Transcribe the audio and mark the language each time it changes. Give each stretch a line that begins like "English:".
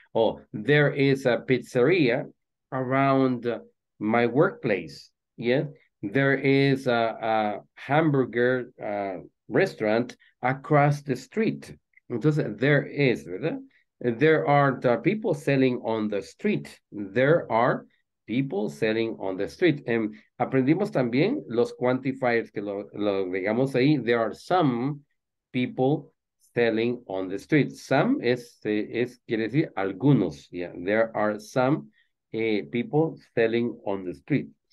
English: Oh, there is a pizzeria around my workplace. Yeah. There is a hamburger restaurant across the street. Entonces, there is, ¿verdad? There are the people selling on the street. There are people selling on the street.
Spanish: Aprendimos también los quantifiers que lo digamos ahí.
English: There are some people selling on the street.
Spanish: Some es quiere decir algunos. Yeah.
English: There are some people selling on the street.